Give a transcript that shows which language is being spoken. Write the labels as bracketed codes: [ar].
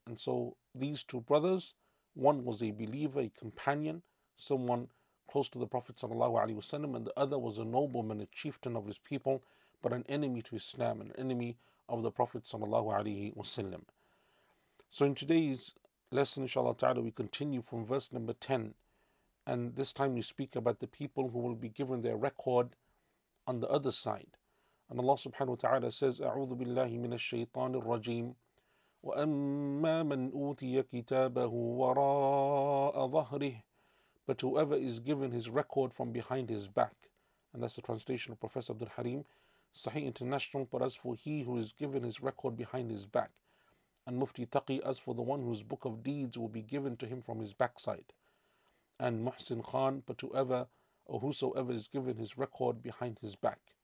[en] And so these two brothers, one was a believer, a companion, someone close to the Prophet sallallahu alaihi wasallam, and the other was a nobleman, a chieftain of his people, but an enemy to Islam, an enemy of the Prophet sallallahu alaihi wasallam. So in today's lesson, inshallah ta'ala, we continue from verse number 10. And this time we speak about the people who will be given their record on the other side. And Allah subhanahu wa ta'ala says, [ar] أعوذ بالله من الشيطان الرجيم وأما من أوتي كتابه وراء ظهره. [en] But whoever is given his record from behind his back. And that's the translation of Professor Abdul Harim, Sahih International. But as for he who is given his record behind his back, and Mufti Taqi, as for the one whose book of deeds will be given to him from his backside, and Muhsin Khan, but whoever or whosoever is given his record behind his back.